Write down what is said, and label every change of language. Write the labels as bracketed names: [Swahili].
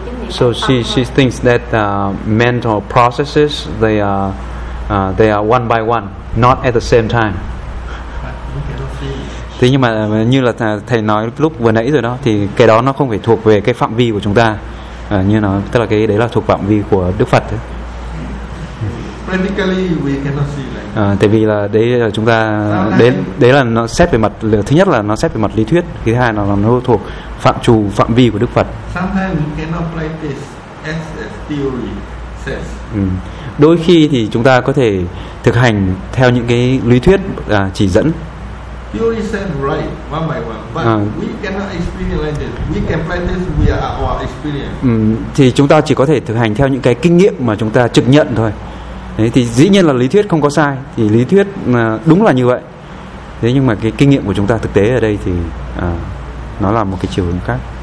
[English] So she thinks that mental processes they are one by one, not at the same time. [Vietnamese] Thế nhưng mà như là thầy nói lúc vừa nãy rồi đó, thì cái đó nó không phải thuộc về cái phạm vi của chúng ta, như nó tức là cái đấy là thuộc phạm vi của Đức Phật. [English] Practically we cannot see like. [Vietnamese] Tại vì là đấy là chúng ta đến đấy là nó xét về mặt, thứ nhất là nó xét về mặt lý thuyết, thứ hai là nó thuộc phạm trù phạm vi của Đức Phật. [English] Sometimes we cannot practice as the theory says. [Vietnamese] Đôi khi thì chúng ta có thể thực hành theo những cái lý thuyết chỉ dẫn. [English] Theory says right one by one, but we cannot experience like this. We can practice via our experience. [Vietnamese] Thì chúng ta chỉ có thể thực hành theo những cái kinh nghiệm mà chúng ta trực nhận thôi. Đấy, thì dĩ nhiên là lý thuyết không có sai, thì lý thuyết đúng là như vậy. Thế nhưng mà cái kinh nghiệm của chúng ta thực tế ở đây thì nó là một cái chiều hướng khác.